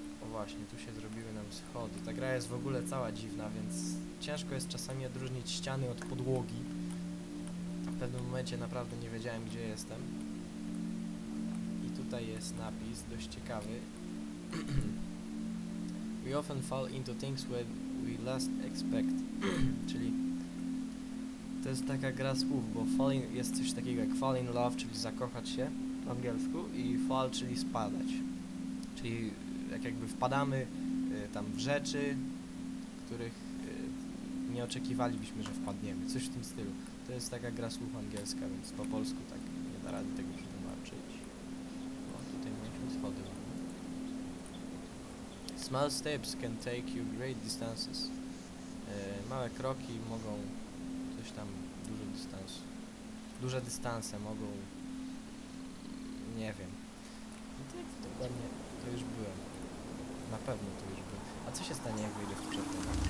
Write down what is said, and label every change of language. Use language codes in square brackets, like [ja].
[pl] Właśnie, tu się zrobiły nam schody. Ta gra jest w ogóle cała dziwna, więc ciężko jest czasami odróżnić ściany od podłogi. W pewnym momencie naprawdę nie wiedziałem, gdzie jestem. I tutaj jest napis, dość ciekawy. [en] We often fall into things when we last expect. [pl] Czyli to jest taka gra słów, bo falling jest coś takiego jak [en] fall in love, [pl] czyli zakochać się w angielsku, i fall, czyli spadać. Czyli jakby wpadamy tam w rzeczy, których nie oczekiwalibyśmy, że wpadniemy. Coś w tym stylu. To jest taka gra słów angielska, więc po polsku tak nie da rady tego przetłumaczyć. O, tutaj mieliśmy schody. [en] Small steps can take you great distances. [pl] Małe kroki mogą coś tam, duże dystanse. Duże dystanse mogą... Nie wiem. No tak, dokładnie. To już byłem. Na pewno to już było. A co się stanie, jak wyjdę w przedtem?